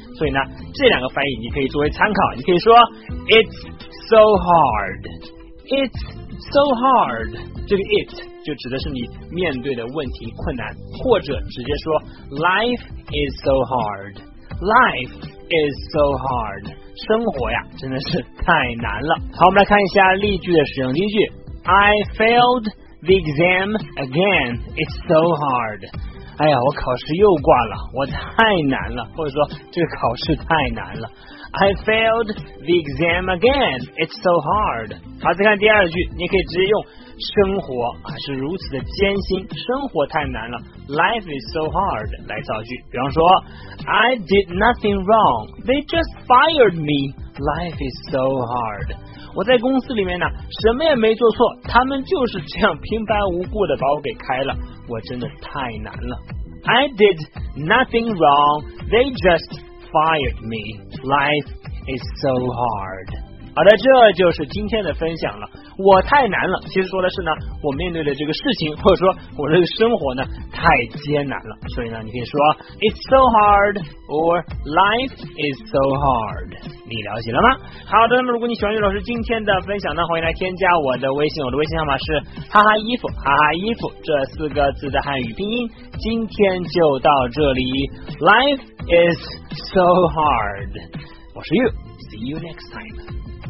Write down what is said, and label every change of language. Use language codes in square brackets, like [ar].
[zh] 所以呢，这两个翻译你可以作为参考，你可以说 [en] It's so hard， [zh] 这个 it 就指的是你面对的问题困难，或者直接说 [en] Life is so hard， [zh] 生活呀真的是太难了。好，我们来看一下例句的使用。 [en] 例句： I failed the exam again. It's so hard. [zh] 哎呀，我考试又挂了，我太难了，或者说这个考试太难了。 [en] I failed the exam again. It's so hard. [zh] 好，再看第二句，你可以直接用生活是如此的艰辛，生活太难了， [en] Life is so hard [zh] 来造句。比方说， [en] I did nothing wrong, they just fired me, Life is so hard。 [zh] 我在公司里面呢什么也没做错，他们就是这样平白无故的把我给开了，我真的太难了。 [en] I did nothing wrong, they just fired me, Life is so hard。 [zh] 好的，这就是今天的分享了。我太难了，其实说的是呢，我面对的这个事情或者说我这个生活呢太艰难了。所以呢，你可以说 [en] It's so hard or life is so hard， [zh] 你了解了吗？好的，那么如果你喜欢岳老师今天的分享呢，欢迎来添加我的微信，我的微信号码是哈哈衣服，哈哈衣服这四个字的汉语拼音。今天就到这里， [en] Life is so hard， [zh] 我是 [en] You， See you next time。